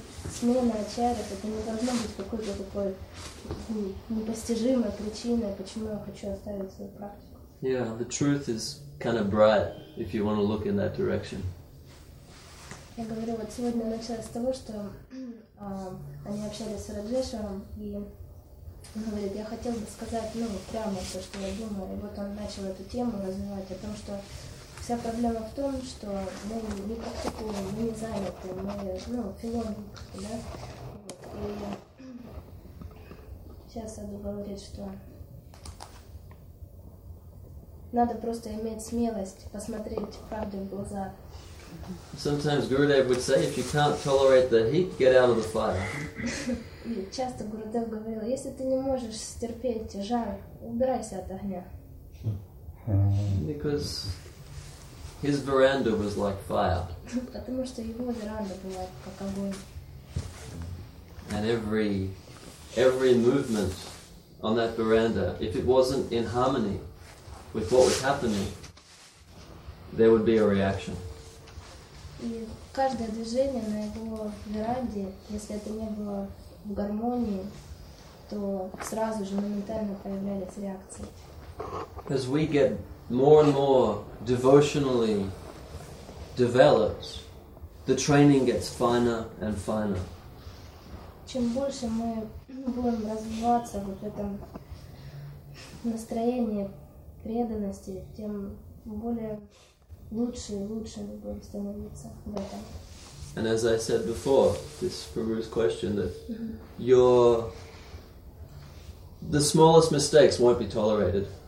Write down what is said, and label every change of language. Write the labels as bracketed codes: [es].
[ru] Смена очаров, это не должно быть какой-то такой непостижимой причиной, почему я хочу оставить свою практику. [en] Yeah, the truth is kind of bright if you want to look in that direction. [ru] Я говорю, вот сегодня началось с того, что они общались с Раджешем, и он говорит, я хотел бы сказать, ну, прямо то, что я думаю. И вот он начал эту тему развивать о том, что вся проблема в том, что мы не практикуем, мы не заняты, мы, ну, филологи, да? Вот. И сейчас Саду говорит, что надо просто иметь смелость посмотреть правде в глаза. [en] Sometimes Gurudev would say, if you can't tolerate the heat, get out of the fire. [ru] Часто Гурудев говорил, если ты не можешь стерпеть жар, убирайся от огня. [en] Because his veranda was like fire. [ru] Потому что его веранда была как огонь. [en] And every movement on that veranda, if it wasn't in harmony with what was happening, there would be a reaction. [ru] И каждое движение на его веранде, если это не было в гармонии, то сразу же моментально появлялись реакции. [en] As we get more and more devotionally developed, the training gets finer and finer. [ru] Чем больше мы будем развиваться вот в этом настроении преданности, тем более лучше и лучше мы будем становиться в этом. [en] And as I said before, this Prabhu's question that the smallest mistakes won't be tolerated.